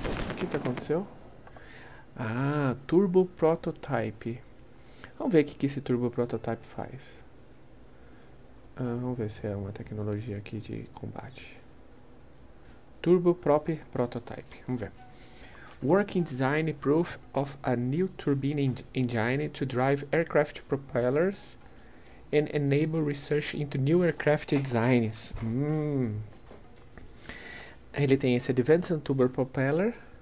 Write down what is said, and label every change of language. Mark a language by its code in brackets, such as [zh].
[pt] O que que aconteceu? Ah, Turbo Prototype. Vamos ver o que que esse Turbo Prototype faz. Ah, vamos ver se é uma tecnologia aqui de combate. Turbo Prop Prototype. Vamos ver. [en] Working design proof of a new turbine engine to drive aircraft propellers and enable research into new aircraft designs. [pt] Ele tem esse Advanced Turbo Propeller.